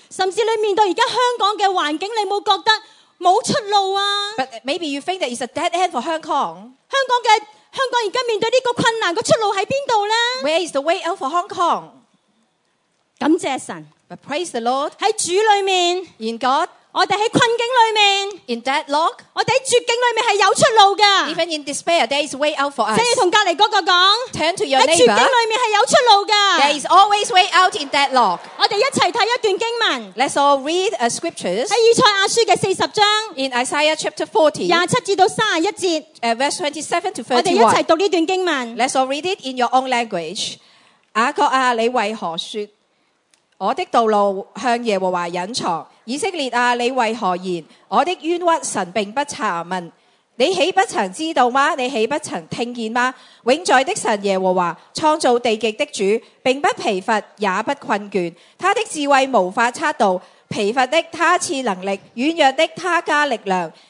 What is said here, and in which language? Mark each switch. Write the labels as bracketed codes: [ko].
[yue] 甚至你面对而家香港嘅环境，你冇觉得冇出路啊 [en] ？But maybe you think that it's a dead end for Hong Kong。 [yue] 香港而家面对呢个困难，个出路喺边度咧 [en] ？Where is the way out for Hong Kong？ [yue] 感谢神 [en] ，But praise the Lord。 [yue] 喺主里面 [en] ，In God。 [yue] 我哋喺困境里面 [en] ，in deadlock， [yue] 我哋喺绝境里面系有出路嘅。 [en] Even in despair, there is way out for us。 [yue] 即系同隔篱嗰个讲 [en] ，turn to your neighbor。 [yue] 喺绝境里面系有出路嘅。 [en] There is always way out in deadlock。 [yue] 我哋一齐睇一段经文。 [en] Let's all read a scriptures。 [yue] 喺以赛亚书嘅40章 [en] ，in Isaiah chapter 40， [yue] 27-31节 [en] ，verse 27-31。 [yue] 我哋一齐读呢段经文。 [en] Let's all read it in your own language。 [yue] 雅各啊，你为何说我的道路向耶和华隐藏？以色列啊，你为何言我的冤屈神并不查问？你岂不曾知道吗？你岂不曾听见吗？永在的神耶和华创造地极的主，并不疲乏也不困倦，他的智慧无法测度，疲乏的他赐能力，软弱的他加力量。